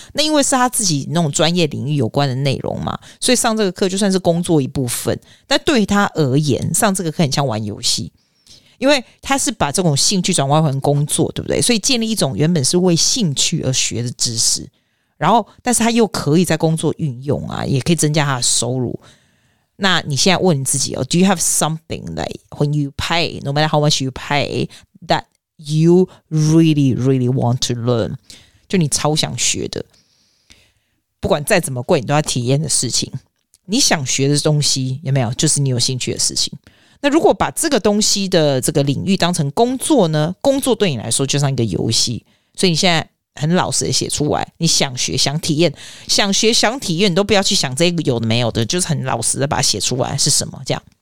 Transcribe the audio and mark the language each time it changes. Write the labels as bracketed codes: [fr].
[zh] 那因为是他自己那种专业领域有关的内容嘛，所以上这个课就算是工作一部分，但对他而言上这个课很像玩游戏，因为他是把这种兴趣转换成工作，对不对？所以建立一种原本是为兴趣而学的知识，然后但是他又可以在工作运用啊，也可以增加他的收入。那你现在问你自己、哦、 [en] Do you have something that when you pay, no matter how much you pay, that you really, really want to learn? [zh] 就你超想学的，不管再怎么贵你都要体验的事情，你想学的东西有没有就是你有兴趣的事情。那如果把这个东西的这个领域当成工作呢，工作对你来说就像一个游戏，所以你现在很老实的写出来，你想学想体验，想学想体验，你都不要去想这个有的没有的，就是很老实的把它写出来是什么这样。